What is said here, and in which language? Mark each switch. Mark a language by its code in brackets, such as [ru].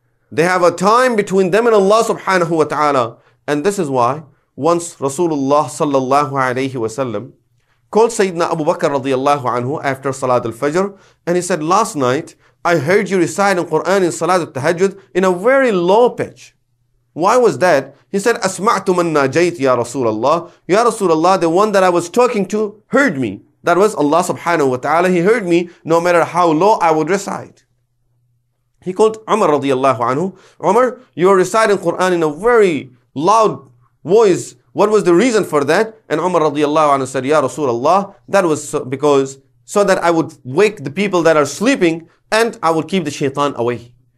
[en] They have a time between them and Allah subhanahu wa ta'ala. And this is why once Rasulullah sallallahu alayhi wa sallam called Sayyidina Abu Bakr radiallahu anhu after Salat al-Fajr, and he said, last night I heard you recite in Quran in Salat al-Tahajjud in a very low pitch. Why was that? [ar] He said, أَسْمَعْتُ مَنْ نَاجَيْتِ يَا رَسُولَ اللَّهِ. [en] Ya Rasulullah, the one that I was talking to heard me. That was Allah subhanahu wa ta'ala. He heard me no matter how low I would recite. He called Umar radiallahu anhu. Umar, you are reciting Quran in a very loud voice. What was the reason for that? And Umar radiallahu anhu said, Ya Rasulullah, that was because so that I would wake the people that are sleeping and I will keep the shaitan away.